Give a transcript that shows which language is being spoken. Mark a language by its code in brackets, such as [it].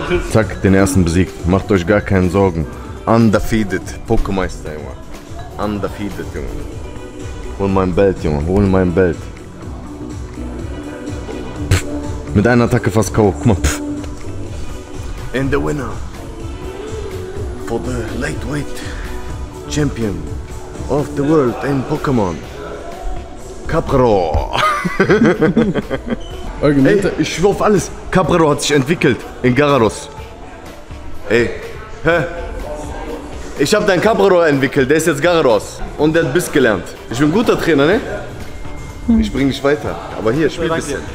[de] Zack, den ersten besiegt. Macht euch gar keine Sorgen. Undefeated. Pokémeister, Junge. Undefeated, Junge. Hol mein Belt, Junge. Hol mein Belt. Mit einer Attacke fast K.O. Guck mal, pff. [en] And the winner for the lightweight champion of the world in Pokémon, Caprador. [de] Ey, ich schwör auf alles, Caprador hat sich entwickelt in Garados. Ey, hä? Ich hab deinen Caprador entwickelt, der ist jetzt Garados. Und der hat Biss gelernt. Ich bin ein guter Trainer, ne? Ich bring dich weiter. Aber hier, spiel ein bisschen.